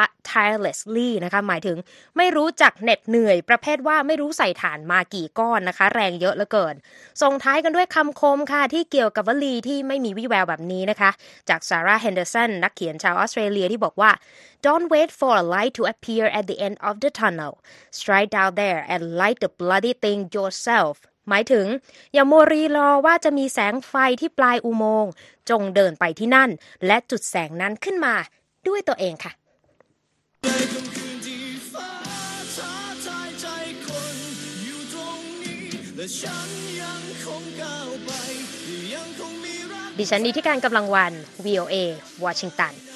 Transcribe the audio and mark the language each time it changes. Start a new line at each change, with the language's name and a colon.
Thai: tirelessly นะคะหมายถึงไม่รู้จักเหน็ดเหนื่อยประเภทว่าไม่รู้ใส่ฐานมากี่ก้อนนะคะแรงเยอะเหลือเกินส่งท้ายกันด้วยคำคมค่ะที่เกี่ยวกับวลีที่ไม่มีวี่แววแบบนี้นะคะจากซาร่าเฮนเดอร์สันนักเขียนชาวออสเตรเลียที่บอกว่า
English: Don't wait for a light to appear at the end of the tunnel. Stride out there and light the bloody thing yourself.
Thai: หมายถึงอย่ามัวรีรอว่าจะมีแสงไฟที่ปลายอุโมงค์จงเดินไปที่นั่นและจุดแสงนั้นขึ้นมาด้วยตัวเองค่ะดิฉันนี้ที่การกำลังวัน VOA วอชิงตัน